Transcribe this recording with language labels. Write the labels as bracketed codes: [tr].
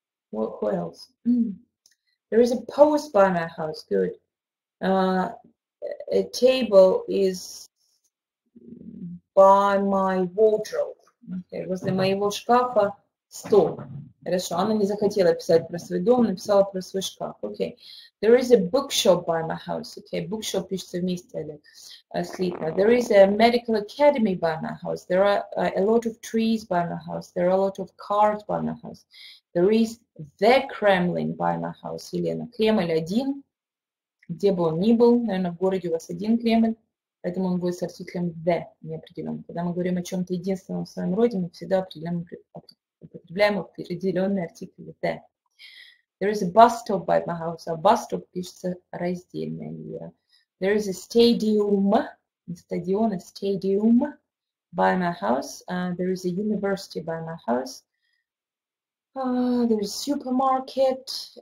[en] What, who else? There is a post by my house. Good. A table is by my wardrobe. [ru] Okay, возле моего шкафа стол. Хорошо, она не захотела писать про свой дом, написала про свой шкаф. [en] Okay, there is a bookshop by my house. [ru] Okay, bookshop пишется вместе, Олег, слитно. [en] There is a medical academy by my house. There are a lot of trees by my house. There are a lot of cars by my house. There is the Kremlin by my house. [ru] Елена, Кремль один, где бы он ни был, наверное, в городе у вас один Кремль. Поэтому он будет с артиклем the неопределенным. Когда мы говорим о чем-то единственном в своем роде, мы всегда употребляем определенный артикль the. [en] There is a bus stop by my house. A bus stop [ru] пишется раздельно. [en] There is a stadium, [ru] не стадион, [en] a stadium by my house. There is a university by my house. There is a supermarket.